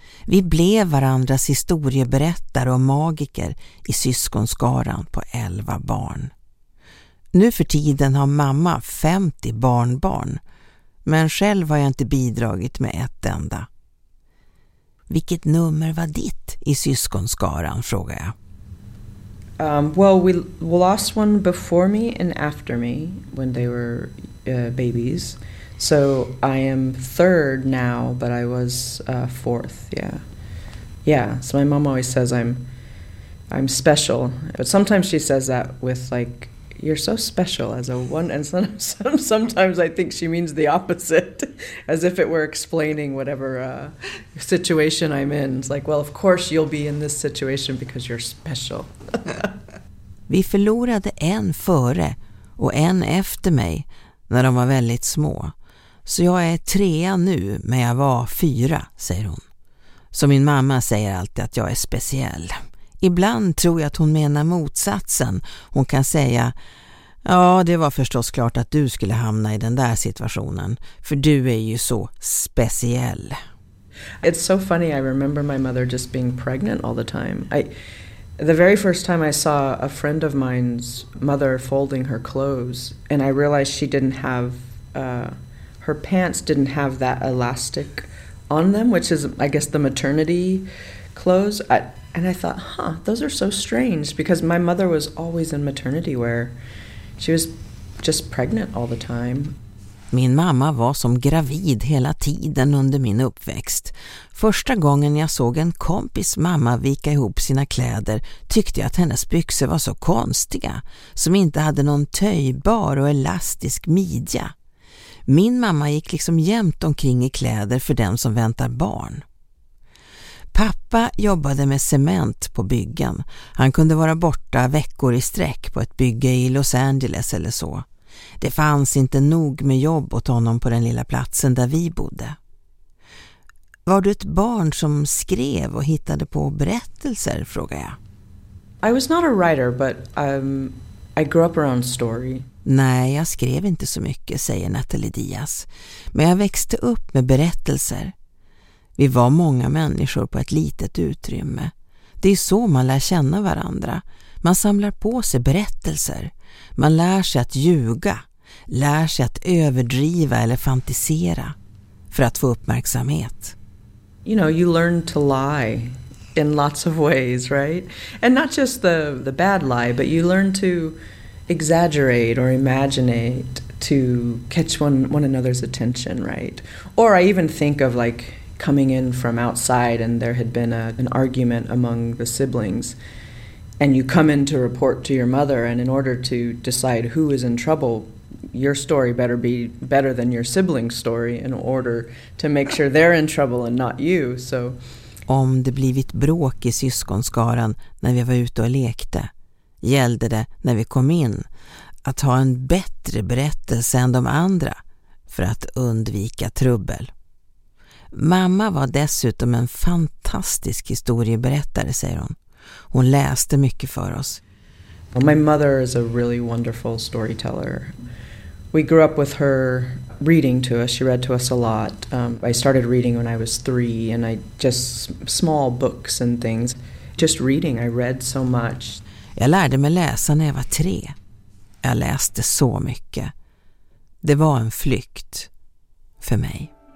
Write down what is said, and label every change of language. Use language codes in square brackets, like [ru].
[sv] Vi blev varandras historieberättare och magiker i syskonskaran på 11 barn. Nu för tiden har mamma 50 barnbarn, men själv har jag inte bidragit med ett enda. Vilket nummer var ditt i syskonskaran, frågar jag. [en] Well, we lost one before me and after me when they were babies. So I am third now, but I was fourth, yeah. Yeah, so my mom always says I'm special. But sometimes she says that with like, you're so special as a one, and sometimes I think she means the opposite, as if it were explaining whatever situation I'm in. It's like, well, of course you'll be in this situation because you're special. [sv] Vi förlorade en före och en efter mig när de var väldigt små. Så jag är trea nu, men jag var fyra, säger hon. Så min mamma säger alltid att jag är speciell. Ibland tror jag att hon menar motsatsen. Hon kan säga, ja, det var förstås klart att du skulle hamna i den där situationen, för du är ju så speciell. [en] It's so funny, I remember my mother just being pregnant all the time. The very first time I saw a friend of mine's mother folding her clothes, and I realized she didn't have, her pants didn't have that elastic on them, which is, I guess, the maternity clothes. And I thought, huh, those are so strange, because my mother was always in maternity wear. She was just pregnant all the time. [sv] Min mamma var som gravid hela tiden under min uppväxt. Första gången jag såg en kompis mamma vika ihop sina kläder tyckte jag att hennes byxor var så konstiga, som inte hade någon töjbar och elastisk midja. Min mamma gick liksom jämt omkring i kläder för den som väntar barn. Pappa jobbade med cement på byggen. Han kunde vara borta veckor i sträck på ett bygge i Los Angeles eller så. Det fanns inte nog med jobb åt honom på den lilla platsen där vi bodde. Var du ett barn som skrev och hittade på berättelser, frågar jag. [en] I was not a writer, but I grew up around story. [sv] Nej, jag skrev inte så mycket, säger Natalie Diaz. Men jag växte upp med berättelser. Vi var många människor på ett litet utrymme. Det är så man lär känna varandra. Man samlar på sig berättelser. Man lär sig att ljuga, lär sig att överdriva eller fantisera för att få uppmärksamhet. [en] You know, you learn to lie in lots of ways, right? And not just the bad lie, but you learn to exaggerate or imagine to catch one another's attention, right? Or I even think of like coming in from outside and there had been an argument among the siblings. And you come in to report to your mother, and in order to decide who is in trouble, your story better be better than your sibling's story in order to make sure they're in trouble and not you. So, [sv] om det blivit bråk i syskonskaran när vi var ute och lekte, gällde det när vi kom in att ha en bättre berättelse än de andra för att undvika trubbel. Mamma var dessutom en fantastisk historieberättare, säger hon. Hon läste mycket för oss. [en] Well, my mother is a really wonderful storyteller. We grew up with her reading to us. She read to us a lot. I started reading when I was 3, and I just small books and things. Just reading, I read so much. [sv] Jag lärde mig läsa när jag var 3. Jag läste så mycket. Det var en flykt för mig.